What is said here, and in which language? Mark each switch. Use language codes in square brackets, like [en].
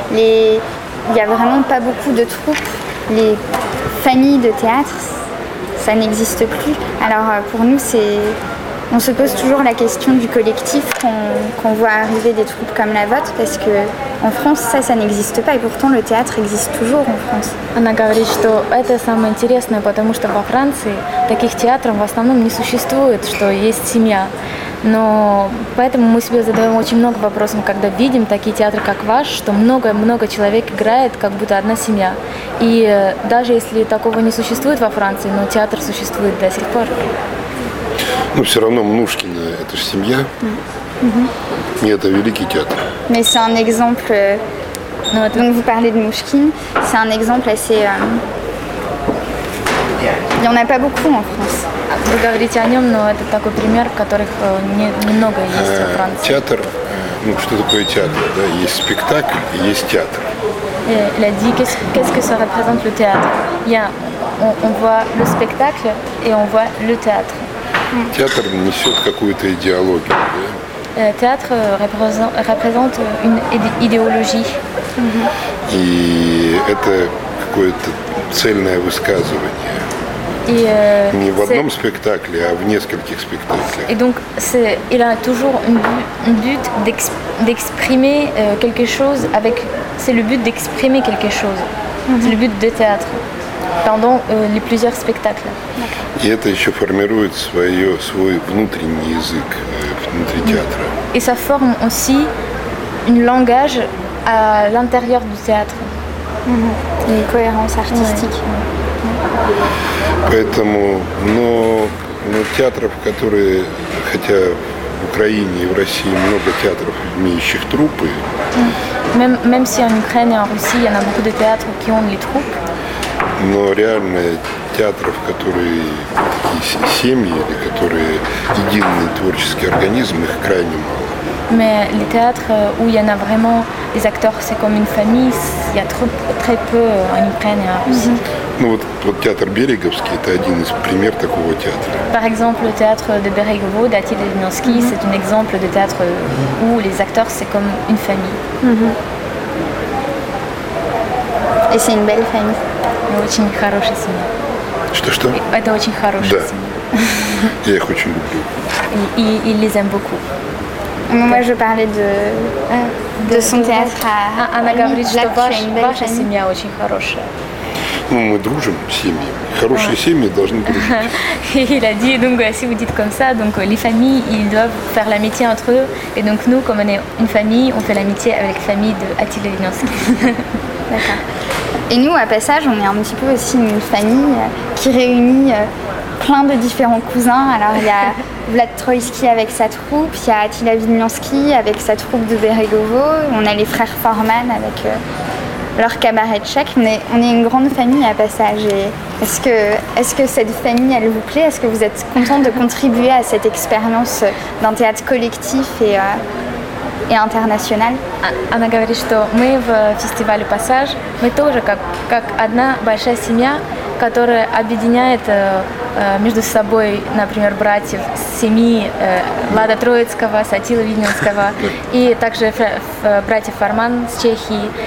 [fr] Il n'y a vraiment pas beaucoup de troupes. Les familles de théâtre, ça n'existe plus. Alors pour nous, on se pose toujours la question du collectif qu'on voit arriver des troupes comme la vôtre, parce que en France, ça n'existe pas. Et pourtant, le théâtre existe toujours en France. [ru] Она говорит, что это самое интересное, потому что во Франции таких театров в основном не существует, что есть семья. Но поэтому мы себе задаем очень много вопросов, когда видим такие театры, как ваш, что много-много человек играет, как будто одна семья. И даже если такого не существует во Франции, но театр существует до сих пор. Ну, все равно Мнушкина – это же семья. Mm-hmm. И это великий театр. [fr] Mais c'est un exemple... [ru] Ну, это... [fr] Donc, vous parlez de Mnouchkine. C'est un exemple assez... Il n'y en a pas beaucoup en France. Vous parlez de lui, mais c'est un exemple qui n'est pas beaucoup en France. Théâtre, qu'est-ce que c'est le théâtre? Il y a un spectacle et il y a un théâtre. Elle a dit qu'est-ce que ça représente le théâtre. On voit le spectacle et on voit le théâtre. [ru] Théâtre несет какую-то идеологию. [fr] Théâtre représente une idéologie. Et c'est [ru] какое-то цельное высказывание. Не в одном спектакле, а в нескольких спектаклях. [fr] И donc c'est il a toujours un but d'exprimer quelque chose avec c'est le but d'exprimer quelque chose. C'est le but de théâtre pendant les plusieurs spectacles. [ru] И это ещё формирует свой внутренний язык внутри театра. [fr] Et ça forme aussi une langage à l'intérieur du théâtre. Une cohérence artistique. [ru] Поэтому, но театров, которые, хотя в Украине и в России много театров, имеющих труппы. [fr] Même si en Ukraine et en Russie, il y en a beaucoup de théâtres qui ont les troupes. [ru] Но реально театров, которые такие семьи или которые единый творческий организм, их крайне мало. [fr] Mais les théâtres où il y en a vraiment des acteurs, c'est comme une famille, il y a très peu en Ukraine et en Russie. [ru] Ну вот театр Береговский это один из примеров такого театра. [fr] Par exemple, le théâtre de Berego d'Attila Dinansky, c'est un exemple de théâtre où les acteurs c'est comme une famille. Et c'est une belle famille. [ru] Очень хорошая семья. Что? Это очень хорошая семья. Я их очень люблю. И les aime beaucoup. [fr] Moi, je parlais de son théâtre. [ru] Она говорит, что ваша семья очень хорошая. Ну, мы дружим с семьями. Хорошие семьи должны дружить. [fr] Il a dit, donc si vous dites comme ça, donc les familles, ils doivent faire l'amitié entre eux. Et donc nous, comme on est une famille, on fait l'amitié avec la famille de Attila Dinansky. D'accord. Et nous, à passage, on est un petit peu aussi une famille qui réunit plein de différents cousins. Alors il y a Vlad Troïski avec sa troupe, il y a Attila Dinansky avec sa troupe de Beregovo, on a les frères Forman avec leur cabaret tchèque, mais on est une grande famille à passage. Est-ce que cette famille, elle vous plaît? Est-ce que vous êtes contente de contribuer à cette expérience d'un théâtre collectif et international? [ru] Она говорит, что мы в фестивале Passage, мы тоже как одна большая семья, которая объединяет между собой, например, братьев семьи Влада Троицкого, Сатилы Виденского и также братьев Фарман с Чехии.